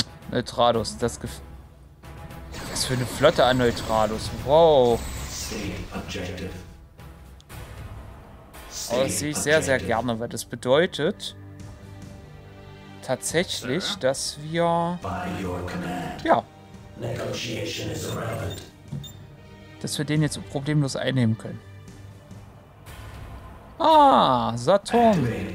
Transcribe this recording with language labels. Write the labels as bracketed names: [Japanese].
[German] Neutralus, das was für eine Flotte an Neutralus. Wow. Das sehe ich sehr, sehr gerne, weil das bedeutet tatsächlich, Sir, dass wir. Ja. [English] Negotiation is irrelevant. [German] Dass wir den jetzt problemlos einnehmen können. Ah, Saturn.